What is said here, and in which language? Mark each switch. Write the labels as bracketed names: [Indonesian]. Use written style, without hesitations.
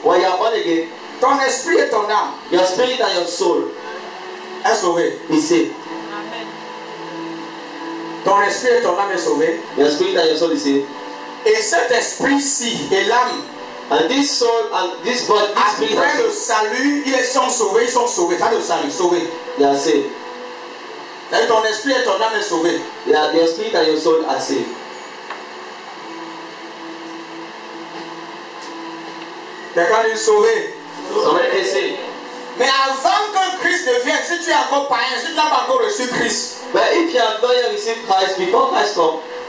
[English] when you are born again, [French] ton esprit et ton âme, [English] your spirit and your soul, [French] est sauvé, [English] is saved. [French] Ton esprit et ton âme est sauvé. [English] Your spirit and your soul is saved. [French] Et cet esprit-ci et l'âme, [English] and this soul and this body, this spirit, [French] après le salut, ils sont sauvés, pas le salut, sauvés. [English] They are saved. [French] Et ton esprit et ton âme est sauvé. [English] Yeah, your spirit and your soul are saved. [French] Quelqu'un est sauvé. Sauvé et saved. Mais avant que Christ ne vienne, si tu es encore païen, si tu n'as pas encore reçu Christ, [English] but if you have not yet received Christ, before Christ comes,